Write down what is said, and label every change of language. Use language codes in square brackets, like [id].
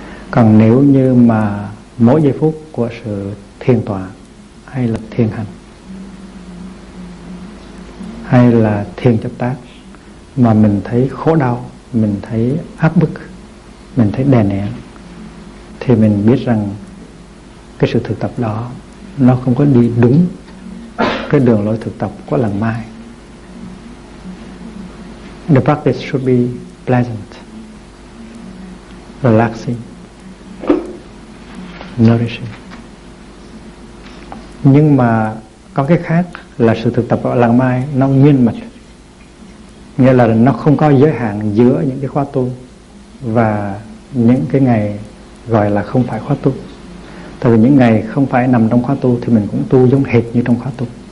[vi] Còn nếu như mà mỗi giây phút của sự thiền tọa hay là thiền hành hay là thiền chấp tác mà mình thấy khổ đau, mình thấy áp bức, mình thấy đè nén, thì mình biết rằng cái sự thực tập đó nó không có đi đúng cái đường lối thực tập của Lần Mai. [en] The practice should be pleasant, relaxing, nourishing. [vi] Nhưng mà có cái khác là sự thực tập ở Lần Mai nó nguyên mật, nghĩa là nó không có giới hạn giữa những cái khóa tu và những cái ngày gọi là không phải khóa tu. Tại vì những ngày không phải nằm trong khóa tu thì mình cũng tu giống hệt như trong khóa tu.